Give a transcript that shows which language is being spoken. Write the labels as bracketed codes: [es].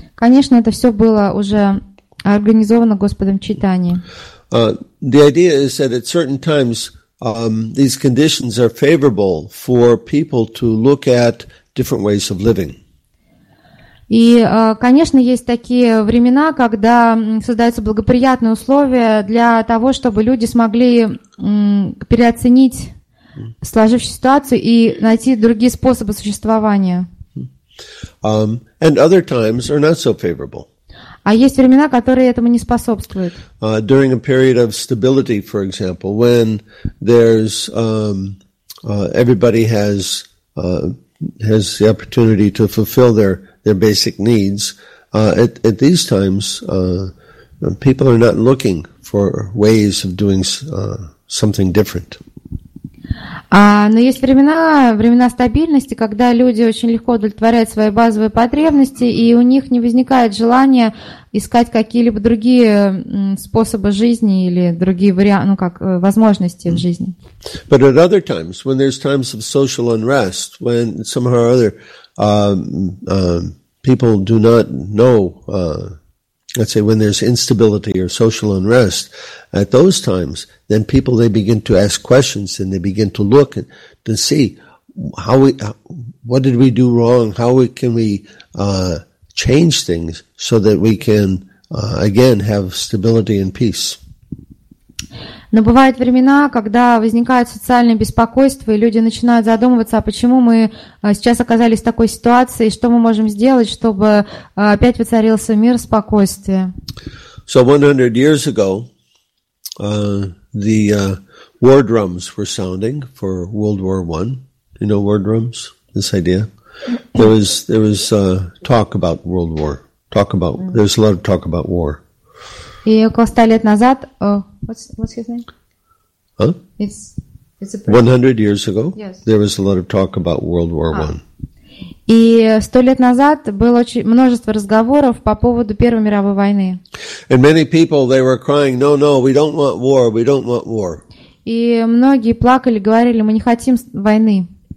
[ru] Конечно, это все было уже организовано Господом Чайтаньей. [en] The idea is that at certain times these conditions are favorable for people to look at different ways of living. [ru] И, конечно, есть такие времена, когда создаются благоприятные условия для того, чтобы люди смогли переоценить сложившуюся ситуацию и найти другие способы существования. [en] And other times are not so favorable. [ru] А есть времена, которые этому не способствуют. [en] During a period of stability, for example, when there's everybody has the opportunity to fulfill their basic needs, at these times people are not looking for ways of doing something different. [ru] Но есть времена стабильности, когда люди очень легко удовлетворяют свои базовые потребности, и у них не возникает желания искать какие-либо другие способы жизни или другие варианты, ну как, возможности в жизни. [en] But at other times, when there's times of social unrest, when somehow or other people do not know, let's say when there's instability or social unrest, at those times, then people, they begin to ask questions and they begin to look and to see what did we do wrong? How can we change things so that we can, again, have stability and peace? [ru] Но бывают времена, когда возникает социальное беспокойство, и люди начинают задумываться, а почему мы сейчас оказались в такой ситуации, и что мы можем сделать, чтобы опять воцарился мир, спокойствие. [en] So 100 years ago, the war drums were sounding for World War I. You know war drums? This idea? There was talk about World War. Talk about, there's a lot of talk about war. [ru] И около 100 лет назад... [en] What's his name? Huh? It's a 100 years ago, yes. There was a lot of talk about World War I. [ru] И 100 лет назад было очень множество разговоров по поводу Первой мировой войны. [en] And many people, they were crying, no, no, we don't want war, we don't want war. [ru] И многие плакали, говорили, мы не хотим войны.